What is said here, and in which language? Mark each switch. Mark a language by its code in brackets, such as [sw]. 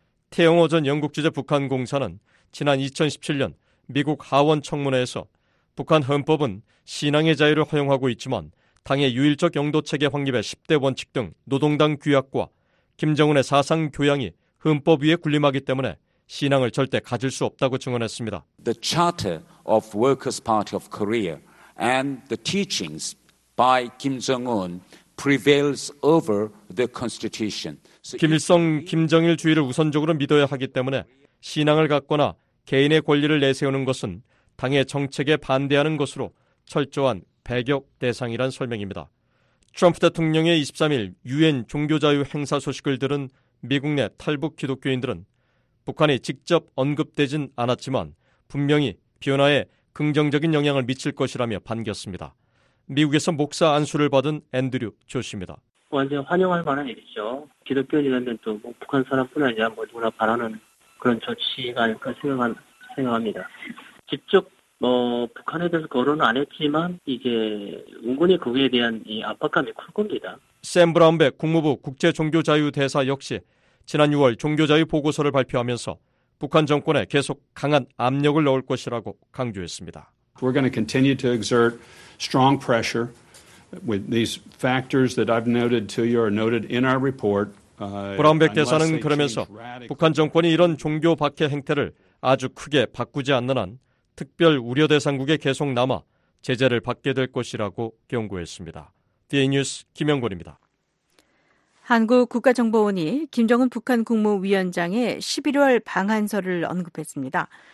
[ko] 태영호 전 영국지재 북한공사는 지난 2017년 미국 하원 청문회에서 북한 헌법은 신앙의 자유를 허용하고 있지만 당의 유일적 영도체계 확립의 10대 원칙 등 노동당 규약과 김정은의 사상 교양이 헌법 위에 군림하기 때문에 신앙을 절대 가질 수 없다고 증언했습니다. [en] The Charter of Workers' Party of Korea and the teachings by Kim Jong-un prevails over the Constitution. [ko] 김일성, 김정일 주의를 우선적으로 믿어야 하기 때문에 신앙을 갖거나 개인의 권리를 내세우는 것은 당의 정책에 반대하는 것으로 철저한 배격 대상이란 설명입니다. 트럼프 대통령의 23일 유엔 종교자유 행사 소식을 들은 미국 내 탈북 기독교인들은 북한이 직접 언급되진 않았지만 분명히 변화에 긍정적인 영향을 미칠 것이라며 반겼습니다. 미국에서 목사 안수를 받은 앤드류 조씨입니다. 완전 환영할 만한 일이죠. 기독교인이라면 또 뭐 북한 사람뿐 아니라 뭐 누구나 바라는 그 그런 조치가 아닐까 생각합니다. 직접 뭐 북한에 대해서 거론은 안 했지만 이게 은근히 거기에 대한 이 압박감이 클 겁니다. 샘 브라운백 국무부 국제종교자유대사 역시 지난 6월 종교자유 보고서를 발표하면서 북한 정권에 계속 강한 압력을 넣을 것이라고 강조했습니다. [en] We're going to continue to exert strong pressure with these factors that I've noted to you are noted in our report. [ko] 브라운백 대사는 그러면서 북한 정권이 이런 종교 박해 행태를 아주 크게 바꾸지 않는 한 특별 우려 대상국에 계속 남아 제재를 받게 될 것이라고 경고했습니다. DA 뉴스 김영곤입니다. 한국 국가정보원이 김정은 북한 국무위원장의 11월 방한설을 언급했습니다.